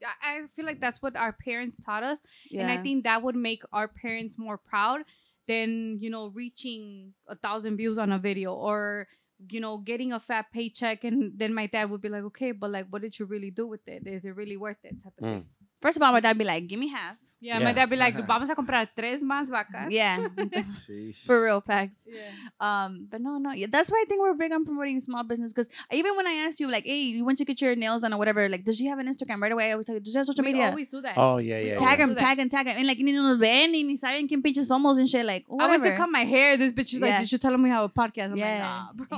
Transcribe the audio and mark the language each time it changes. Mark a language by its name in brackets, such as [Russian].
[English] I feel like that's what our parents taught us. Yeah. And I think that would make our parents more proud than, you know, reaching 1,000 views on a video or, you know, getting a fat paycheck. And then my dad would be like, okay, but like, what did you really do with it? Is it really worth it? Type of thing. First of all, my dad be like, give me half. Yeah. [Spanish] My dad be like, vamos a comprar tres más vacas. [English] Yeah. For real, Pax. Yeah. But no, no. Yeah, that's why I think we're big on promoting small business. Because even when I asked you, like, hey, you want to get your nails done or whatever, like, does she have an Instagram right away? I was like, does she have social media? We always do that. Oh, yeah, yeah. Tag him. And like, [Spanish] ni nos ven, ni saben quién pinches somos [English] and shit. Like, whatever. I went to cut my hair. This bitch is like, did you tell him we have a podcast? I'm like, nah, bro.